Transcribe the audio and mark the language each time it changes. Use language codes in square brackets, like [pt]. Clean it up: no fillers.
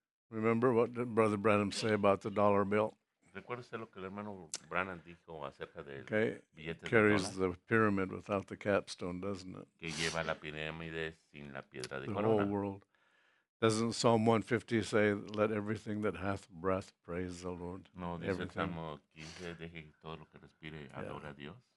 [en] Remember what did Brother Branham say about the dollar bill? Okay, it carries the pyramid without the capstone, doesn't it? [es] Que lleva la pirámide sin la piedra de corona. [en] The whole world. Doesn't Psalm 150 say, let everything that hath breath praise the Lord? [es] No, dice el Salmo 15, deje que todo lo que respire adore a Dios.